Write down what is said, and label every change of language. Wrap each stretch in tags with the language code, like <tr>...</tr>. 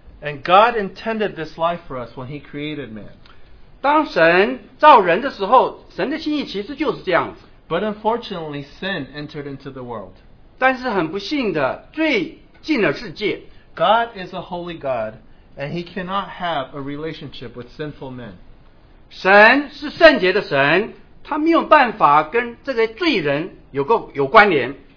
<en>And God intended this life for us when He created man.</en> <zh>当神造人的时候,神的心意其实就是这样子。</zh> <en>But unfortunately, sin entered into the world.</en> <zh>但是很不幸的,罪进了世界。</zh> <en>God is a holy God, and He cannot have a relationship with sinful men.</en> <zh>神是圣洁的神,他没有办法跟这个罪人有关联。</zh>